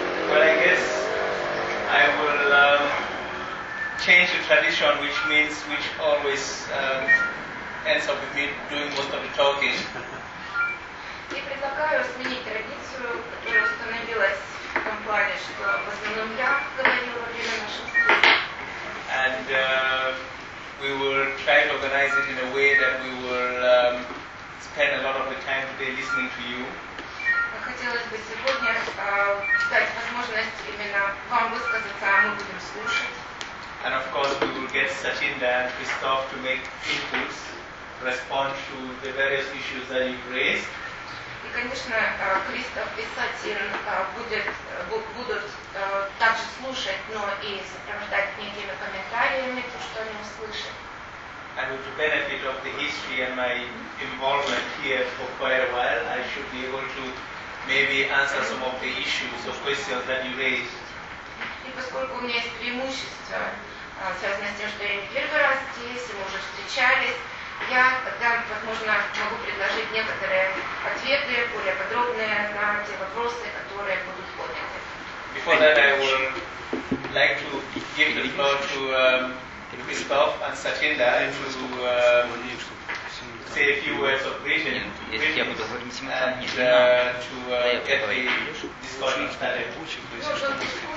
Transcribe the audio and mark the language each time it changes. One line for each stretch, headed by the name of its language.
English: Well, I guess I will change the tradition, which always ends up with me doing most of the talking.
Russian: И предлагаю сменить традицию, которая установилась в компании, что в основном я говорила во время наших встреч.
English: And we will try to organize it in a way that we will spend a lot of the time today listening to you.
Russian: Хотелось бы сегодня дать возможность именно вам высказаться, а мы будем слушать.
English: And of course we will get Sachinda and Christophe to make inputs, respond to the various issues that you've raised.
Russian: И, конечно, Кристоф и Сатин будут также слушать, но и сопровождать некими комментариями то, что они услышат.
English: And with the benefit of the history and my involvement here for quite a while, I should be able to maybe answer some of the issues or questions that you raised.
Russian: И поскольку у меня есть преимущество, связанное с тем, что я не первый раз здесь, мы уже встречались, я тогда, возможно, могу предложить некоторые ответы, более подробные на те вопросы, которые будут подняты.
English: Before that, I would like to give the floor to Christoph and Sachinda to say a few words of greetings and to get the discussion started.